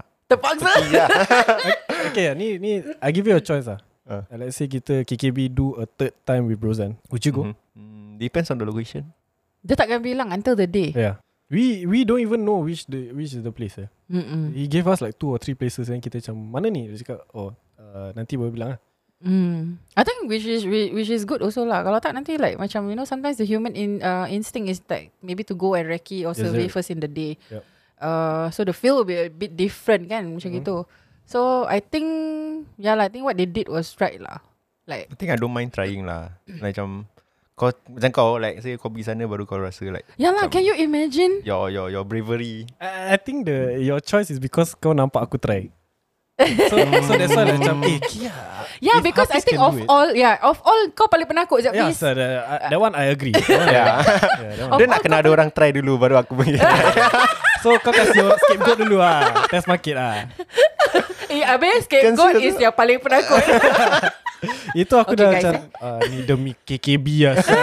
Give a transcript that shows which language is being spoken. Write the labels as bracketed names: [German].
[Malay] Terpaksa. [English] Okay, ni I give you a choice lah. Let's say kita KKB do a third time with Brozan. Would you go? Depends on the location. [Malay] Dia takkan bilang [English] until the day. Yeah. We don't even know which is the place. He gave us like 2 or 3 places and [Malay] kita macam mana ni? Dia cakap nanti boleh bilang lah. [English] I think which is good also lah. [Malay] Kalau tak nanti [English] like macam you know sometimes the human instinct is like maybe to go and recce or survey first in the day. Yep. So the feel will be a bit different [Malay] kan macam gitu. [English] So I think I think what they did was right lah. Like I think I don't mind trying lah. Like macam kau like say [Malay] kau pergi sana baru kau rasa [English] like. Ya lah, can you imagine? Your bravery. I think the your choice is because [Malay] kau nampak aku try. [English] So that's why macam Kia. Yeah, because Hafiz I think of all [Malay] kau paling penakut sekejap. [English] Yeah, so that one I agree. [Malay] Dia nak kena ada orang try dulu baru aku pergi. So kau kasi scapegoat dulu lah. [English] Test market [Malay] lah. Habis scapegoat is yang paling penakut. Itu aku dah macam ni demi KKB lah.